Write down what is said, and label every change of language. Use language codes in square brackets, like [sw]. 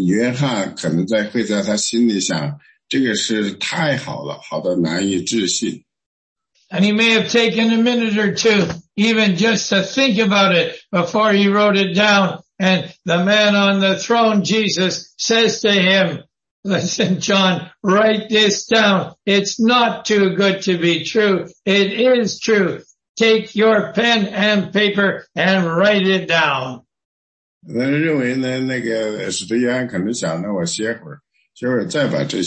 [zh] 我认为呢，主人告诉约翰，使得约翰写下来呢，因为约翰可能在会在他心里想， 这个事太好了，好得难以置信。 [en] And he may have taken a minute or two, even just to think about it, before he wrote it down. And the man on the throne, Jesus, says to him, listen, John, write this down. It's not too good to be true. It is true. Take your pen and paper and write it down. [zh] 那认为呢，那个使徒约翰可能想，那我歇会儿。